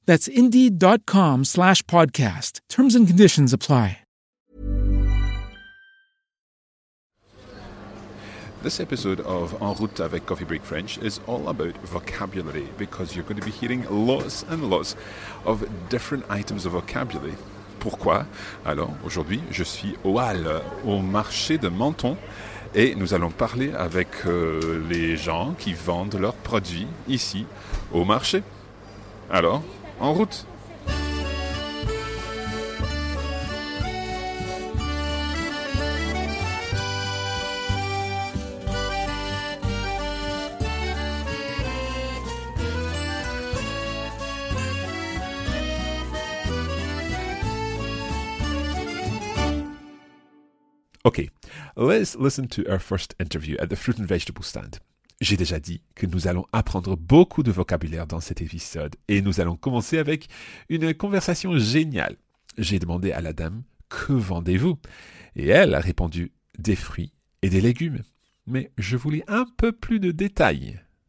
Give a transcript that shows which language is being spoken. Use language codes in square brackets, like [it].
[en] That's Indeed.com/podcast. Terms and conditions apply. This episode of En Route avec Coffee Break French is all about vocabulary, because you're going to be hearing lots and lots of different items of vocabulary. [fr] Pourquoi? Alors, aujourd'hui, je suis au Halles, au marché de Menton, et nous allons parler avec les gens qui vendent leurs produits ici, au marché. Alors, en route! [en] Ok, let's listen to our first interview at the fruit and vegetable stand. [fr] J'ai déjà dit que nous allons apprendre beaucoup de vocabulaire dans cet épisode et nous allons commencer avec une conversation géniale. J'ai demandé à la dame « Que vendez-vous ?» et elle a répondu « Des fruits et des légumes ». Mais je voulais un peu plus de détails.